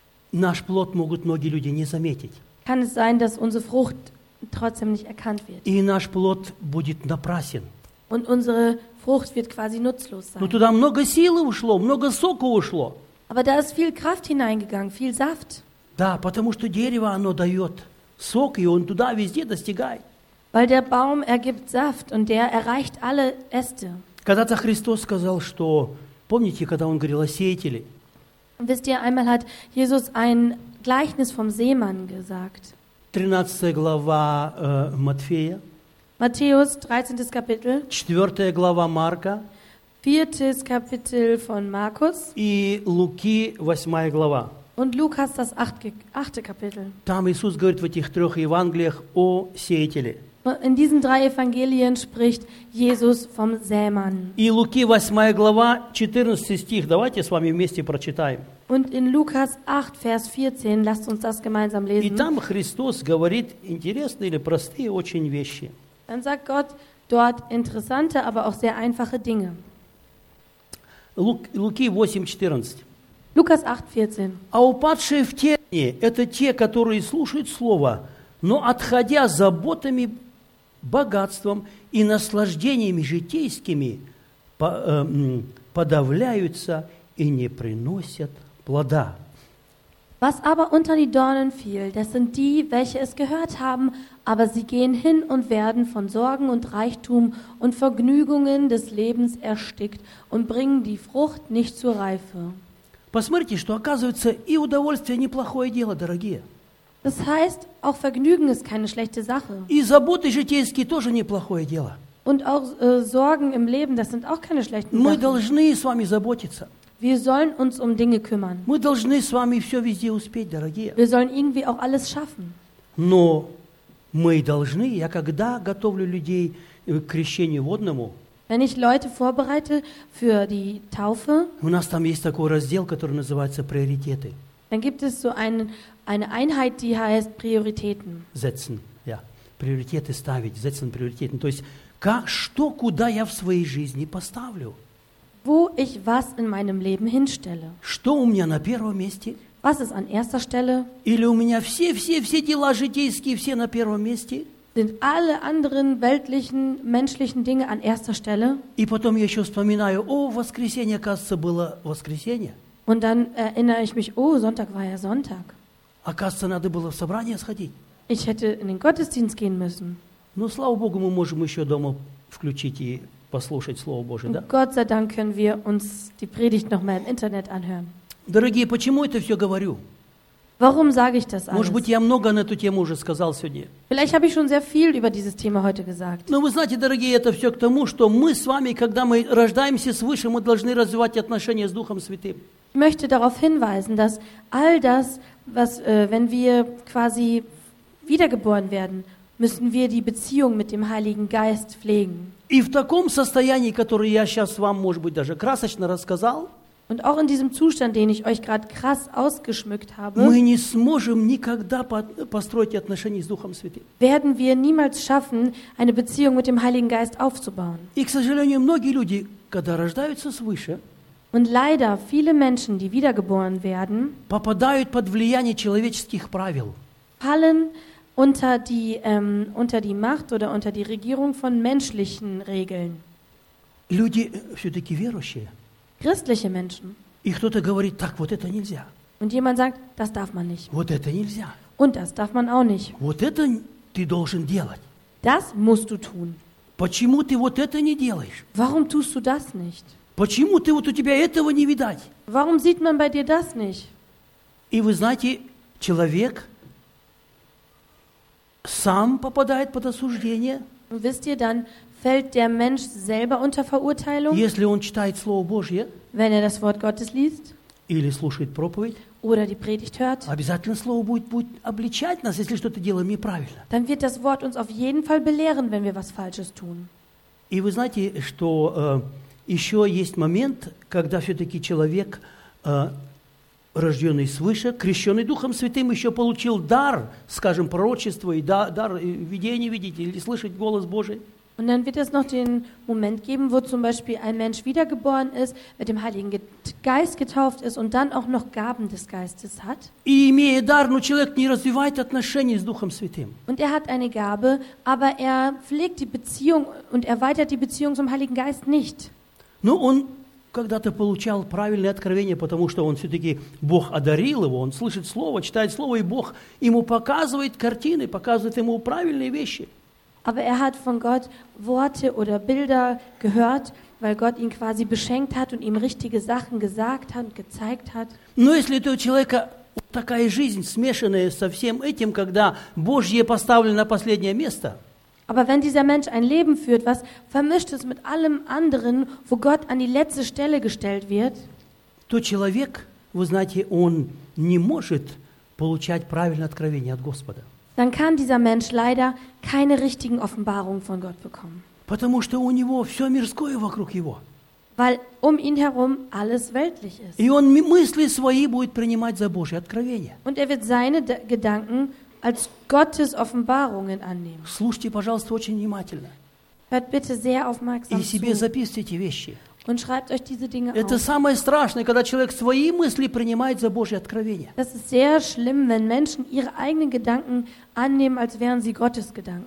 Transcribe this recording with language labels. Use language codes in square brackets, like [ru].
[ru] наш плод могут многие люди не заметить. [de] Kann es sein, dass unsere Frucht trotzdem nicht erkannt wird. [ru] И наш плод будет напрасен. [de] Und unsere Frucht wird quasi nutzlos sein. [ru] Но туда много силы ушло, много сока ушло. [de] Aber da ist viel Kraft hineingegangen, viel Saft. [ru] Да, потому что дерево оно дает сок, и он туда везде достигает. [de] Weil der Baum ergibt Saft und der erreicht alle Äste. [ru] Когда-то Христос сказал, что помните, когда он говорил о сеятеле? [de] Wisst ihr, einmal hat Jesus ein Gleichnis vom Seemann gesagt. [ru] 13. глава Матфея. [de] Matthäus 13. Kapitel. [ru] 4. глава Марка. [de] 4. Kapitel von Markus. [ru] И Луки 8. глава. [de] Und Lukas das 8. Kapitel. [ru] Там Иисус говорит в этих трёх Евангелиях о сеятеле. [de] In diesen drei Evangelien spricht Jesus vom Sämann. [ru] И Луки 8 глава 14 стих. Давайте с вами вместе прочитаем. [de] Und in Lukas 8 Vers 14, lasst uns das gemeinsam lesen. [ru] И там Христос говорит интересные или простые очень вещи. [de] Dann sagt Gott dort interessante, aber auch sehr einfache Dinge. [ru] Луки 8:14. [de] Lukas 8:14. [ru] А упадшие в тени – это те, которые слушают слово, но отходя заботами, богатством и наслаждениями житейскими, подавляются и не приносят плода. [de] Was aber unter die Dornen fiel, das sind die, welche es gehört haben, aber sie gehen hin und werden von Sorgen und Reichtum und Vergnügungen des Lebens erstickt und bringen die Frucht nicht zur Reife. [ru] Посмотрите, что оказывается, и удовольствие неплохое дело, дорогие. [de] Das heißt, auch Vergnügen ist keine schlechte Sache. [ru] И заботы житейские тоже неплохое дело. [de] Und auch Sorgen im Leben, das sind auch keine schlechten [ru] Мы Мы должны с вами заботиться. [de] Wir sollen uns um Dinge kümmern. [ru] Мы должны с вами все везде успеть, дорогие. [de] Wir sollen irgendwie auch alles schaffen. [ru] Но мы должны, я когда готовлю людей к крещению водному, [de] wenn ich Leute vorbereite für die Taufe, [ru] у нас там есть такой раздел, который называется «Приоритеты». [de] Dann gibt es so eine Einheit, die heißt Prioritäten. Setzen, ja. Prioritäten [ru] ставить, [de] setzen Prioritäten. [ru] То есть, что, куда я в своей жизни поставлю? [de] Wo ich was in meinem Leben hinstelle? [ru] Что у меня на первом месте? [de] Was ist an erster Stelle? [ru] Или у меня все дела житейские, все на первом месте? [de] Sind alle anderen weltlichen, menschlichen Dinge an erster Stelle? [ru] И потом я еще вспоминаю, о, воскресенье, кажется, было воскресенье. [de] Und dann erinnere ich mich, oh, Sonntag war ja Sonntag. [ru] Оказывается, надо было в собрание сходить. [de] Ich hätte in den Gottesdienst gehen müssen. [ru] Ну, слава Богу, мы можем еще дома включить и послушать Слово Божие, да? [de] Gott sei Dank können wir uns die Predigt noch mal im Internet anhören. [ru] Дорогие, почему это все говорю? [de] Warum sage ich das alles? [ru] Может быть, я много на эту тему уже сказал сегодня. [de] Vielleicht habe ich schon sehr viel über dieses Thema heute gesagt. [ru] Но вы знаете, дорогие, это все к тому, что мы с вами, когда мы рождаемся свыше, мы должны развивать отношения с Духом Святым. [de] Ich möchte darauf hinweisen, dass all das, was, wenn wir quasi wiedergeboren werden, müssen wir die Beziehung mit dem Heiligen Geist pflegen. [ru] И в таком состоянии, который я сейчас вам, может быть, даже красочно рассказал, [de] und auch in diesem Zustand, den ich euch gerade krass ausgeschmückt habe, [ru] мы не сможем никогда построить отношения с Духом Святым. [de] Werden wir niemals schaffen, eine Beziehung mit dem Heiligen Geist aufzubauen. [ru] И, к сожалению, многие люди, когда рождаются свыше, [de] und leider viele Menschen, die wiedergeboren werden, [ru] попадают под влияние человеческих правил, [de] fallen unter die Macht oder unter die Regierung von menschlichen Regeln. [ru] Люди все-таки верующие. [de] Christliche Menschen. [ru] И кто-то говорит: так вот это нельзя. [de] Und jemand sagt, das darf man nicht. [ru] Вот это нельзя. [de] Und das darf man auch nicht. [ru] Вот это ты должен делать. [de] Das musst du tun. [ru] Почему ты вот это не делаешь? [de] Warum tust du das nicht? [ru] Почему ты вот у тебя этого не видать? [de] Warum sieht man bei dir das nicht? [ru] И вы знаете, человек сам попадает под осуждение. [de] Wisst ihr, dann fällt der Mensch selber unter Verurteilung, [ru] если он читает Слово Божье, [de] wenn er das Wort Gottes liest, [ru] или слушает проповедь, [de] oder die Predigt hört, [ru] обязательно Слово будет обличать нас, если что-то делаем неправильно. [de] Dann wird das Wort uns auf jeden Fall belehren, wenn wir was Falsches tun. [ru] И вы знаете, что еще есть момент, когда все-таки человек, рожденный свыше, крещенный Духом Святым, еще получил дар, скажем, пророчества, и дар видения видеть или слышать голос Божий. [de] Und dann wird es noch den Moment geben, wo zum Beispiel ein Mensch wiedergeboren ist, mit dem Heiligen Geist getauft ist und dann auch noch Gaben des Geistes hat. [ru] И имеет дар, но человек не развивает отношения с Духом Святым. [de] Und er hat eine Gabe, aber er pflegt die Beziehung und erweitert die Beziehung zum Heiligen Geist nicht. [ru] Ну, он когда-то получал правильное откровение, потому что он все-таки, Бог одарил его, он слышит слово, читает слово, и Бог ему показывает картины, показывает ему правильные вещи. [de] Aber er hat von Gott Worte oder Bilder gehört, weil Gott ihn quasi beschenkt hat und ihm richtige Sachen gesagt hat und gezeigt hat. [ru] Но если у человека такая жизнь, смешанная со всем этим, когда Божье поставлено на последнее место, [de] aber wenn dieser Mensch ein Leben führt, was vermischt ist mit allem anderen, wo Gott an die letzte Stelle gestellt wird, [ru] то человек, вы знаете, он не может получать правильное откровение от Господа. [de] Dann kann dieser Mensch leider keine richtigen Offenbarungen von Gott bekommen. [ru] Потому что у него все мирское вокруг его. [de] Weil ihn herum alles weltlich ist. [ru] И он мысли свои будет принимать за Божье откровение. [de] Und wird seine Gedanken als Gottes Offenbarungen annehmen. [ru] Слушайте, пожалуйста, очень внимательно. [de] Hört bitte sehr aufmerksam [ru] и себе записывайте эти вещи. [de] Und schreibt euch diese Dinge [ru] это [de] auf. [ru] Самое страшное, когда человек свои мысли принимает за Божье откровение. [de] Das ist sehr schlimm, wenn Menschen ihre eigenen Gedanken annehmen, als wären sie Gottes Gedanken.